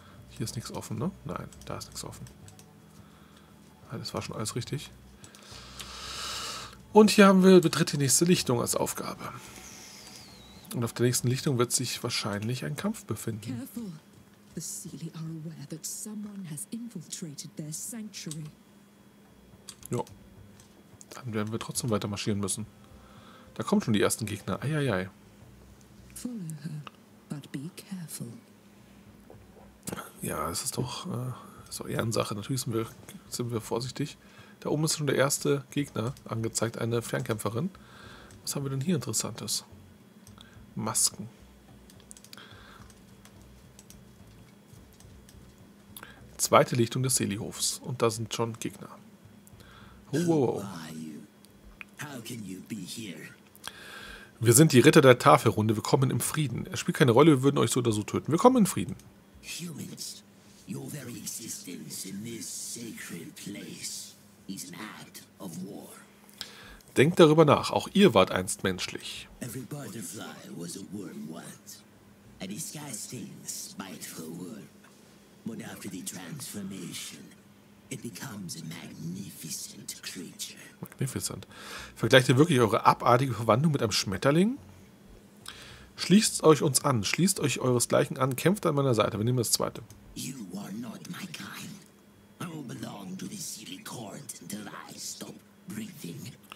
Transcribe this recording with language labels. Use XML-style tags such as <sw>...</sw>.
<de>Hier ist nichts offen, ne? Nein, da ist nichts offen. Das war schon alles richtig. Und hier haben wir, betritt die nächste Lichtung als Aufgabe. Und auf der nächsten Lichtung wird sich wahrscheinlich ein Kampf befinden.</de> <en>The Seelie are aware that someone has infiltrated their sanctuary.</en> <de>Ja. Dann werden wir trotzdem weiter marschieren müssen. Da kommen schon die ersten Gegner. Eieiei.</de> <en>Follow her, but be careful.</en> <de>Ja, es ist doch so Ehrensache. Natürlich sind wir vorsichtig. Da oben ist schon der erste Gegner angezeigt, eine Fernkämpferin. Was haben wir denn hier Interessantes? Masken. Zweite Lichtung des Seelihofs. Und da sind schon Gegner. Wir sind die Ritter der Tafelrunde. Wir kommen im Frieden. Es spielt keine Rolle, wir würden euch so oder so töten. Wir kommen in Frieden.</de> <en>Humans, your very existence in this sacred place is an act of war.</en> <de>Denkt darüber nach. Auch ihr wart einst menschlich.</de> <en>Every butterfly was a worm once. A disgusting, spiteful worm. But after the transformation, it becomes a magnificent creature. Magnificent.</en> <de>Vergleicht ihr wirklich eure abartige Verwandlung mit einem Schmetterling? Schließt euch uns an, schließt euch euresgleichen an, kämpft an meiner Seite. Wir nehmen das zweite.</de> <en>You are not my kind. I will belong to the Silicorn until I stop breathing.</en>